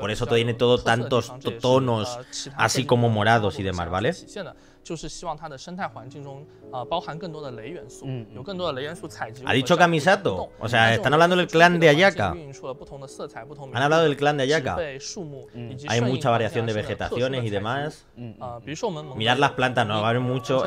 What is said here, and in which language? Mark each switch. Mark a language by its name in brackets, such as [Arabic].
[Spanish] Por eso tiene todo tantos tonos así como morados y demás, ¿vale? [Chinese] 就是希望它的生态环境中包含更多的雷元素，有更多的雷元素采集。 [Spanish] Ha dicho Kamisato, o sea, están hablando del clan de Ayaka. Han hablado del clan de Ayaka. Hay mucha variación de vegetaciones y demás. Mirar las plantas, no va a haber mucho.